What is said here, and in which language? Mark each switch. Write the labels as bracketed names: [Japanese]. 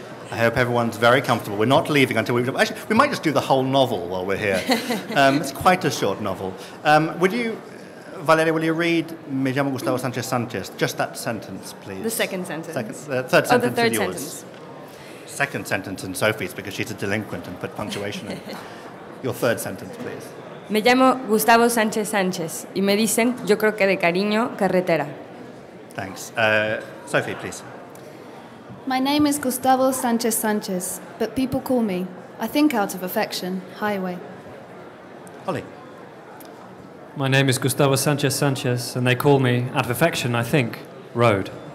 [English] I hope everyone's very comfortable. We're not leaving until we've... Actually, we might just do the whole novel while we're here. It's quite a short novel. Would you, Valeria, will you read [Spanish] Me llamo Gustavo Sánchez Sánchez? [English] Just that sentence, please. The second sentence. The third sentence. Second sentence in Sophie's because she's a delinquent and put punctuation in. Your third sentence, please. [Spanish] Me llamo Gustavo Sánchez Sánchez y me dicen, yo creo que de cariño, carretera. [English] Thanks. Sophie, please. My name is Gustavo Sánchez Sánchez, but people call me, I think out of affection, highway. Ollie. My name is Gustavo Sánchez Sánchez, and they call me, out of affection, I think, road.